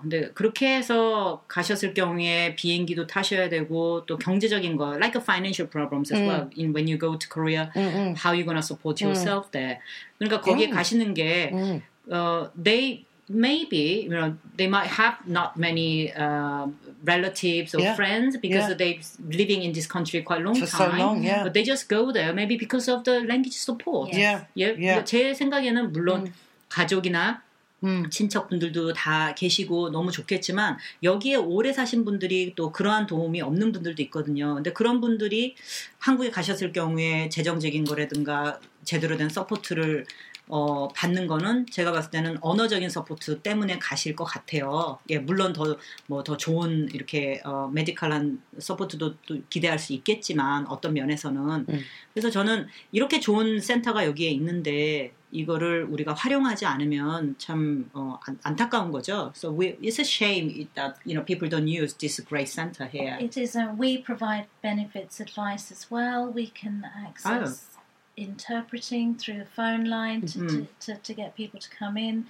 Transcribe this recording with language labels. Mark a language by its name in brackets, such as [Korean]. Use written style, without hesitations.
[Korean] 근데 그렇게 해서 가셨을 경우에 비행기도 타셔야 되고 또 경제적인 거 [English] like a financial problems as well in when you go to Korea how you gonna support yourself there. [Korean] 그러니까 거기에 가시는 게 [English] they maybe you know they might have not many relatives or friends because they've living in this country quite long time. For so long, yeah. But they just go there maybe because of the language support. Yes. Yeah. Yeah. Yeah. [Korean] 제 생각에는 물론 가족이나 친척분들도 다 계시고 너무 좋겠지만 여기에 오래 사신 분들이 또 그러한 도움이 없는 분들도 있거든요. 근데 그런 분들이 한국에 가셨을 경우에 재정적인 거라든가 제대로 된 서포트를 받는 거는 제가 봤을 때는 언어적인 서포트 때문에 가실 것 같아요. 예, 물론 더 좋은 이렇게 메디컬한 서포트도 또 기대할 수 있겠지만 어떤 면에서는 그래서 저는 이렇게 좋은 센터가 여기에 있는데 이거를 우리가 활용하지 않으면 참 안타까운 거죠. [English] So it's a shame that you know people don't use this great center here. It is. We provide benefits advice as well. We can access. Oh. Interpreting through the phone line to get people to come in.